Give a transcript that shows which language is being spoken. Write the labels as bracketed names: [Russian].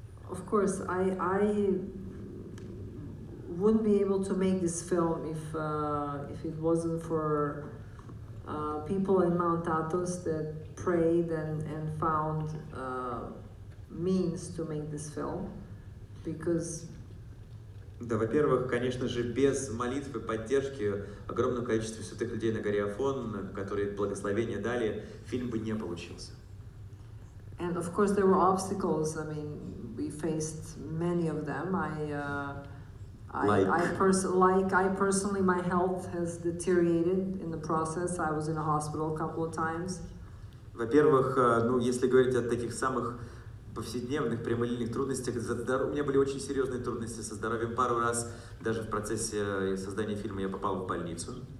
[English] Of course, I wouldn't be able to make this film if it wasn't for people in Mount Athos that prayed and found means to make this film, because... [Russian] Да, во-первых, конечно же, без молитвы, поддержки огромного количества святых людей на горе Афон, которые благословение дали, фильм бы не получился. [English] And of course there were obstacles. I mean, we faced many of them. I personally, my health has deteriorated in the process. I was in a hospital a couple of times. [Russian] Во-первых, ну если говорить о таких самых повседневных прямолинейных трудностях, у меня были очень серьезные трудности со здоровьем. Пару раз даже в процессе создания фильма я попал в больницу.